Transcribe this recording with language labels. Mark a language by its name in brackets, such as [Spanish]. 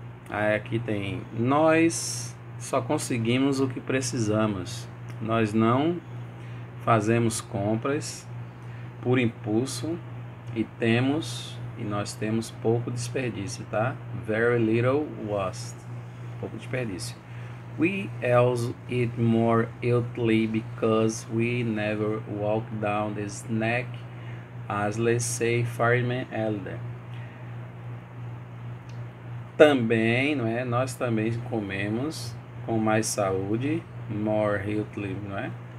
[Portuguese] Aqui tem, nós só conseguimos o que precisamos. Nós não fazemos compras por impulso e nós temos pouco desperdício, tá? [English] Very little waste. [Portuguese] Pouco desperdício. [English] We also eat more healthily because we never walk down the snack aisle, say fireman elder. [Portuguese] Também, não é? Nós também comemos com mais saúde, [English] more healthily, [Portuguese] não é?